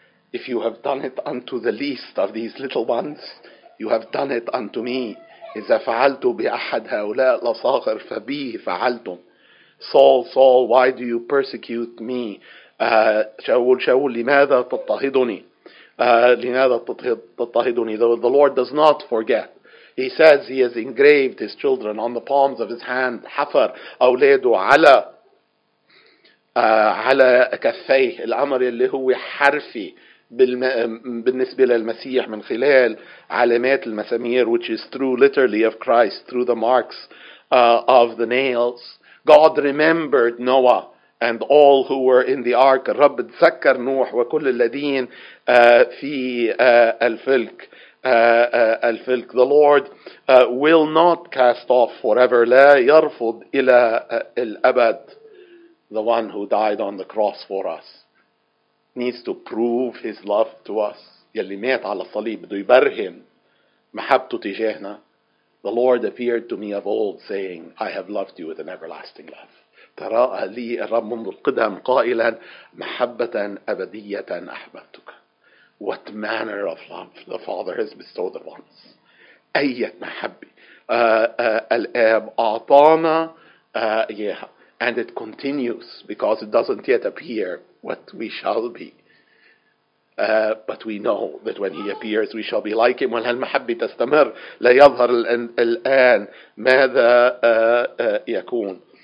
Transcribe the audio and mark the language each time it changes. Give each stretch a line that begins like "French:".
English: If you have done it unto the least of these little ones, you have done it unto me.
Arabic: إذا فعلت بأحد هؤلاء الأصغر فبيه فعلتم.
English: Saul, Saul, why do you persecute me?
Arabic: شاول, شاول, لماذا تضطهدني؟ لماذا تضطهدني؟
English: The Lord does not forget. He says he has engraved his children on the palms of his hand.
Arabic: حفر أولاده على على كفيه, الأمر اللي هو حرفي بالنسبة للمسيح من خلال علامات المسامير,
English: which is true literally of Christ through the marks of the nails. God remembered Noah and all who were in the ark.
Arabic: الرب تذكر نوح وكل الذين في الفلك.
English: الفلك. The Lord will not cast off forever.
Arabic: لا يرفض إلى الأبد.
English: The one who died on the cross for us needs to prove his love to us.
Arabic: يلي مات على الصليب بده يبرهن محبته تجاهنا.
English: The Lord appeared to me of old, saying, I have loved you with an everlasting love.
Arabic: تراءى لي الرب منذ القدم قائلا محبة أبدية أحببتك.
English: What manner of love the Father has bestowed upon us.
Arabic: أية محبة الآب أعطانا إياها.
English: And it continues because it doesn't yet appear what we shall be. But we know that when he appears, we shall be like him.
Arabic: وهالمحبة تستمر ليظهر الآن ماذا يكون.